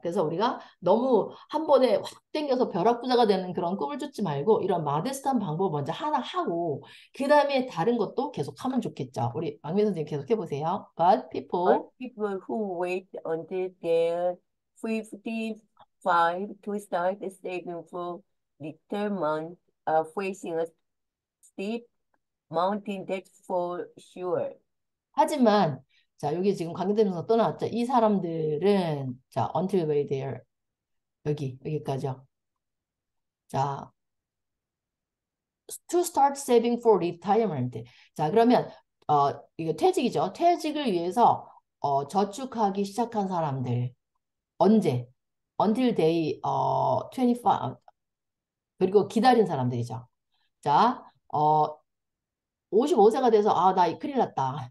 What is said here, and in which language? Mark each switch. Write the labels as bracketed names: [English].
[Korean] 그래서 우리가 너무 한 번에 확 땡겨서 벼락부자가 되는 그런 꿈을 쫓지 말고 이런 마데스트한 방법 먼저 하나 하고 그 다음에 다른 것도 계속하면 좋겠죠. 우리 박민 선생님 계속해 보세요. [English] But people. But people who wait until they're 55 to start saving for retirement are facing a steep mountain debt for sure. [Korean] 하지만 자 여기 지금 관계되면서 또 나왔죠. 이 사람들은 자 [English] until they there [Korean] 여기까지요. [English] 자 to start saving for retirement. [Korean] 자 그러면 이거 퇴직이죠. 퇴직을 위해서 저축하기 시작한 사람들 언제? [English] until they [Korean] 25 그리고 기다린 사람들이죠. 자 55세가 돼서, 아, 나 큰일 났다.